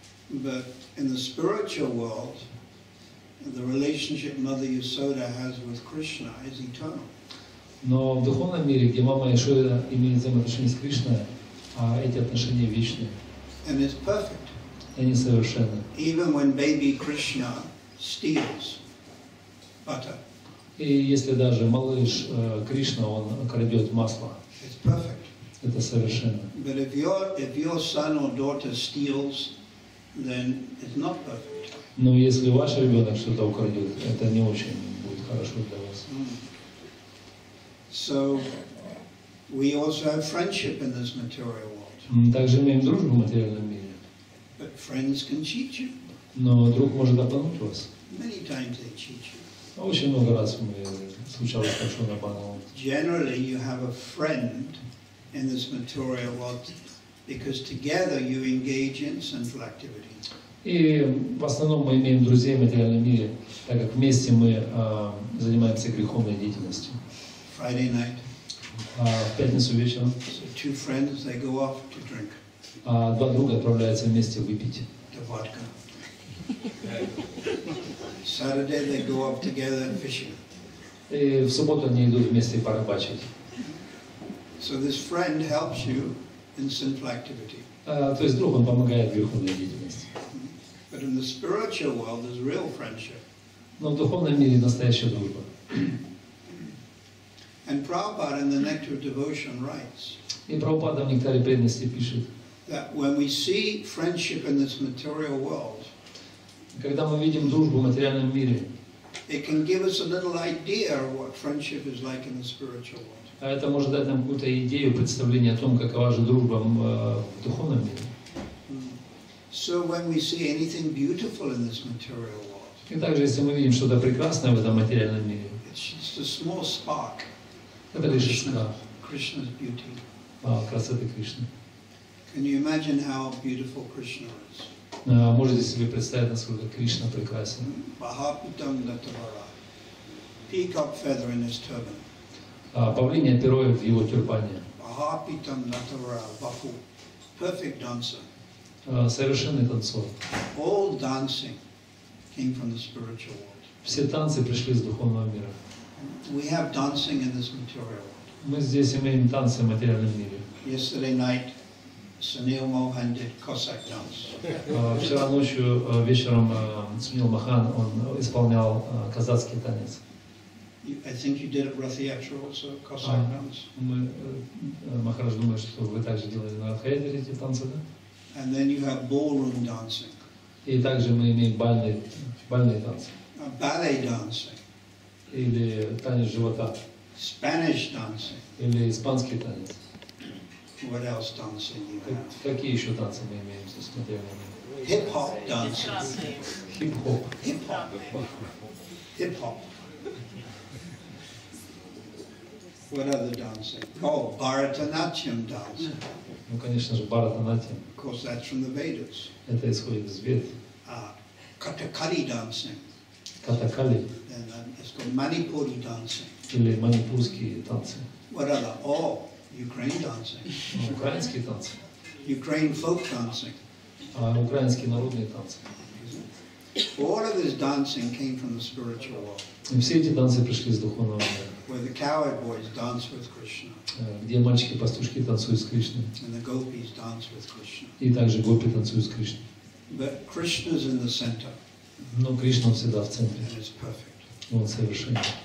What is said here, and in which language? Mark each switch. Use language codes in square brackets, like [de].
[en] But in the spiritual world, the relationship Mother Yasoda has with Krishna is eternal. [ru] Но в духовном мире, где мама Яшода имеет взаимоотношения с Кришной, эти отношения вечные. [en] And it's perfect. [ru] Они совершенны. [en] Even when baby Krishna steals butter. [ru] И если даже малыш Кришна, он крадет масло. [en] It's perfect. [ru] Это совершенно. [en] But if your son or daughter steals, then it's not perfect. [ru] Но если ваш ребенок что-то украдет, это не очень будет хорошо для вас. [en] So we also have friendship in this material world. [ru] Также имеем дружбу в материальном мире. [en] But friends can cheat you. [ru] Но друг может обмануть вас. [en] Many times they cheat you. [ru] Очень много раз мне случалось, что он обманул. [en] Generally, you have a friend in this material world because together you engage in sinful activity. [ru] И в основном мы имеем друзей в материальном мире, так как вместе мы занимаемся греховной деятельностью. [en] Friday night. [ru] В пятницу вечером. [en] So two friends, they go off to drink. [ru] Два друга отправляются вместе выпить. [en] The vodka. Saturday they go off together and fishing. [ru] И в субботу они идут вместе порыбачить. [en] So this friend helps you in sinful activity. [ru] То есть друг, он помогает в греховной деятельности. [en] But in the spiritual world, there's real friendship. [ru] Но в духовном мире настоящая дружба. [en] And Prabhupada in the Nectar of Devotion writes. [ru] И Прабхупада в Нектаре преданности пишет. [en] That when we see friendship in this material world, [ru] когда мы видим дружбу в материальном мире, [en] it can give us a little idea of what friendship is like in the spiritual world. [ru] А это может дать нам какую-то идею, представление о том, какова же дружба в духовном мире. [en] So when we see anything beautiful in this material world, [ru] и также если мы видим что-то прекрасное в этом материальном мире, [en] it's just a small spark. [ru] Это лишь искра. [en] Krishna's beauty. [ru] Красоты Кришны. [en] Can you imagine how beautiful Krishna is? [ru] Можете себе представить, насколько Кришна прекрасен? [en] Bahaputam natavara. Peacock feather in his turban. [ru] Павлиния перо в его тюрбане. [en] Bahaputam natavara. Bahu. Perfect dancer. [ru] Совершенный танцор. [en] All dancing came from the spiritual world. [ru] Все танцы пришли из духовного мира. [en] We have dancing in this material world. [ru] Мы здесь имеем танцы в материальном мире. [en] Yesterday night, Sunil Mohan did Cossack dance. [ru] Вчера ночью вечером Sunil Mohan он исполнял казацкий танец. [en] I think you did at Rathiatra also Cossack dance. [ru] Мы Махарадж думает, что вы также делали на Рафаэдере эти танцы, да? [en] And then you have ballroom dancing. [ru] И также мы имеем бальные танцы. [en] Ballet dancing. [ru] Или танец живота. [en] Spanish dancing. [ru] Или испанский танец. [en] What else dancing you have? [ru] Какие еще танцы мы имеем в материальном мире? [en] Hip-hop dancing. Hip-hop. Hip-hop. Hip-hop. What other dancing? Oh, Bharatanatyam dancing. [ru] Ну, конечно же, Bharatanatyam. [en] Of course, that's from the Vedas. [ru] Это исходит из Вед. [en] Kathakali dancing. [ru] Kathakali. [en] And it's called Manipuri dancing. [ru] Или манипурские танцы. [en] What other? Oh. Ukraine dancing. [ru] Украинские танцы. [en] Ukraine folk dancing. [ru] Украинские народные танцы. [en] All of this dancing came from the spiritual world. [ru] И все эти танцы пришли из духовного мира. [en] Where the cowherd boys dance with Krishna. [ru] Где мальчики-пастушки танцуют с Кришной. [en] And the gopis dance with Krishna. [ru] И также гопи танцуют с Кришной. [en] But Krishna's in the center. [ru] Но Кришна всегда в центре. [en] And it's perfect. [ru] Он совершенен.